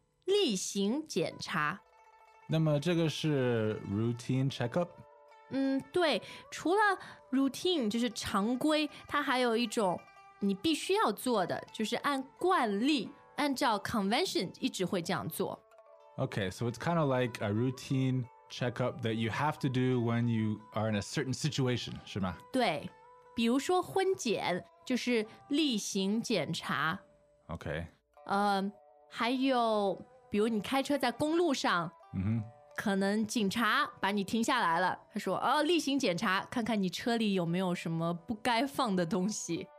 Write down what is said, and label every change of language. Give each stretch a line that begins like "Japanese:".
Chinese: 例行检查。那么这个是 routine checkup？对，除了 routine 就是常规，它还有一种你必须要做的，就是按惯例，按照 convention 一直会这样做。
English: Okay, so it's kind of like a routine checkup that you have to do when you are in a certain situation,
Chinese: 是吗？对，比如说婚检就是例行检查。
English: Okay.
Chinese: 还有比如你开车在公路上，可能警察把你停下来了，他说，例行检查，看看你车里有没有什么不该放的东西。